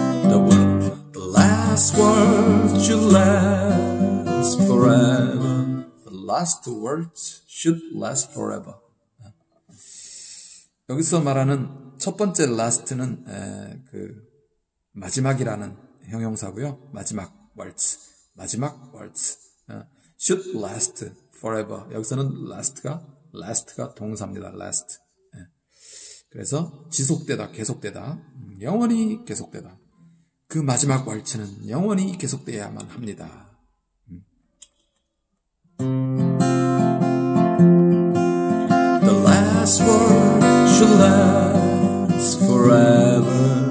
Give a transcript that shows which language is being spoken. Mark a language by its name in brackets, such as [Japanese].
[English] The word, the last word shall last. Forever. The last words should last forever. [Korean] 여기서 말하는 첫 번째 last는 그 마지막이라는 형용사고요. 마지막 [English] words, 마지막 words should last forever. [Korean] 여기서는 last가 동사입니다. [English] Last. [Korean] 그래서 지속되다, 계속되다, 영원히 계속되다. 그 마지막 words는 영원히 계속되어야만 합니다. [English] The last word should last forever.